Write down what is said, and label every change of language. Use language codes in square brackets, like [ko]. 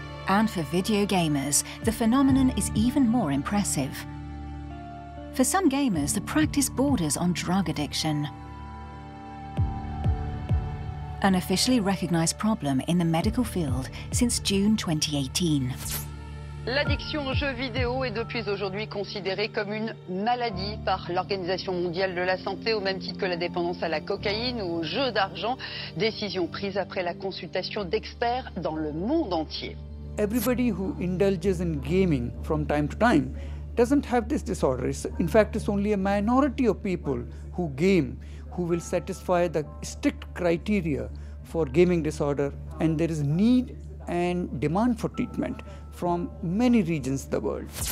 [en] And for video gamers, the phenomenon is even more impressive. For some gamers, the practice borders on drug addiction. an officially recognized problem in the medical field since June 2018. [fr] L'addiction aux jeux vidéo est depuis aujourd'hui considérée comme une maladie par l'Organisation mondiale de la santé, au même titre que la dépendance à la cocaïne ou aux jeux d'argent. Décision prise après la consultation d'experts dans le monde entier. [en] Everybody who indulges in gaming from time to time doesn't have this disorder. In fact, it's only a minority of people who game who will satisfy the strict criteria for gaming disorder, and there is need and demand for treatment from many regions of the world.